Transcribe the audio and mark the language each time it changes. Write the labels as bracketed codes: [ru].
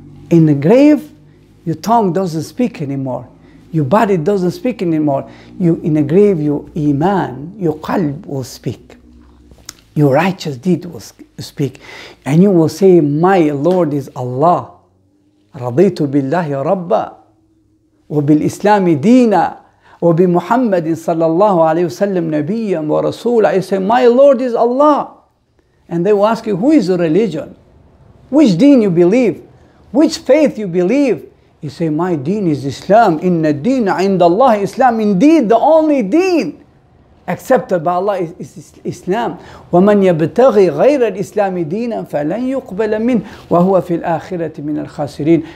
[en] In the grave, your tongue doesn't speak anymore. Your body doesn't speak anymore. You, in the grave, your iman, your qalb will speak. Your righteous deed will speak. And you will say, my Lord is Allah. [ar] رضيت بالله ربا وبالإسلام دينا وبمحمد صلى الله عليه وسلم نبيا ورسولا. [en] You say, my Lord is Allah. And they will ask you, who is your religion? Which deen you believe? Which faith you believe? You say, my deen is Islam. [ar] Inna deen عند الله Islam. [en] Indeed, the only deen accepted by Allah is Islam. [ar] وَمَنْ يَبْتَغِي غَيْرَ الْإِسْلَامِ دِينًا فَلَنْ يُقْبَلَ مِنْ وَهُوَ فِي الْآخِرَةِ مِنَ الْخَاسِرِينَ.